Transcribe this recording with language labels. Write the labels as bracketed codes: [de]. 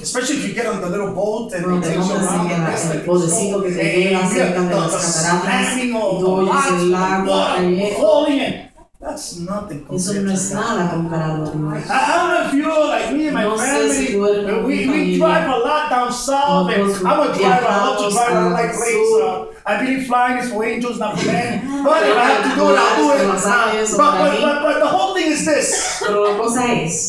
[en] Especially if you get on the little boat and it takes you around. [es] El pozecito que te lleva cerca de las cataratas. Tú oyes el agua cayendo. [en] That's nothing compared to God. [es] Eso no es nada comparado a Dios. [en] I don't know if you're like me and my family. We drive a lot down south. I believe flying is for angels, not for men. But if I have to do it, I'll do it. But the whole thing is this. [es] Pero la cosa es,